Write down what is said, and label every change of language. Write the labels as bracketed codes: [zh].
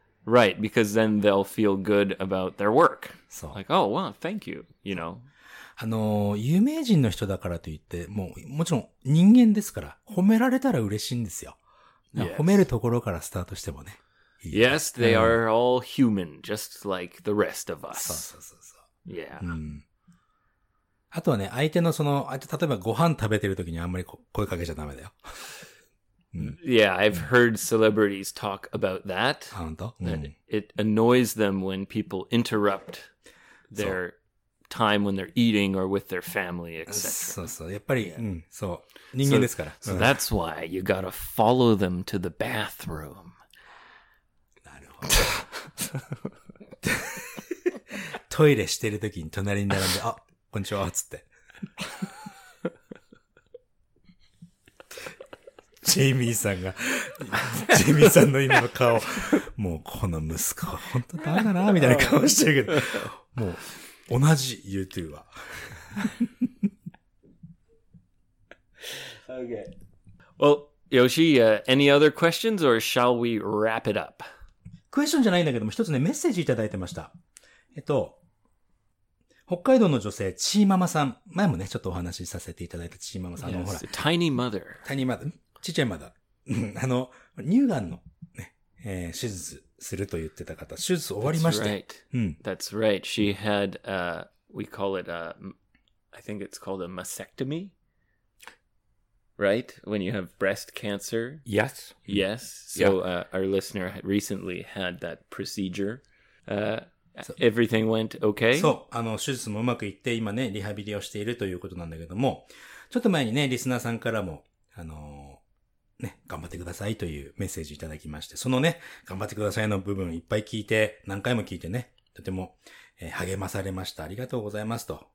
[en] right, because then they'll feel good about their work. [ja] そう。 [en] Like, oh, wow, thank you, you know. [ja] 有名人の人だからといって、もう、もちろん人間ですから、褒められたら嬉しいんですよ。 [en] Yes. [ja] 褒めるところからスタートしてもね。 [en] Yes, they are all human, just like the rest of us. [ja] そうそうそうそう。 [en] Yeah. [ja] うん。あとはね、相手のその、例えばご飯食べてるときにあんまり声かけちゃダメだよ。 [en] Yeah, I've heard celebrities talk about that. [ja] 本当？ [en] It annoys them when people interrupt their time when they're eating or with their family, etc. [ja] そうそう、やっぱり、うん、そう、人間ですから。 [en] So that's why you gotta follow them to the bathroom. [ja] なるほど。トイレしてるときに隣に並んで、あ、こんにちは、つって。ジェイミーさんが、ジェイミーさんの今の顔、もうこの息子は本当だめだな、みたいな顔してるけど、もう、同じ YouTube は。 [en] okay. Well, Yoshi, any other questions or shall we wrap it up? [ja] クエスチョンじゃないんだけども、一つね、メッセージいただいてました。北海道の女性、チーママさん。前もね、ちょっとお話しさせていただいたチーママさん。 [en] Yes, Tiny Mother. [ja] Tiny Mother? ちっちゃいマダ。乳がんの手術すると言ってた方、手術終わりました。 [en] That's right. That's right. She had, we call it a, I think it's called a mastectomy. Right? When you have breast cancer. Yes. Yes. So our listener recently had that procedure. Everything went okay? [ja] そう。あの、手術もうまくいって、今ね、リハビリをしているということなんだけども、ちょっと前にね、リスナーさんからも、ね、頑張ってくださいというメッセージいただきまして、そのね、頑張ってくださいの部分いっぱい聞いて、何回も聞いてね、とても、励まされました。ありがとうございますと。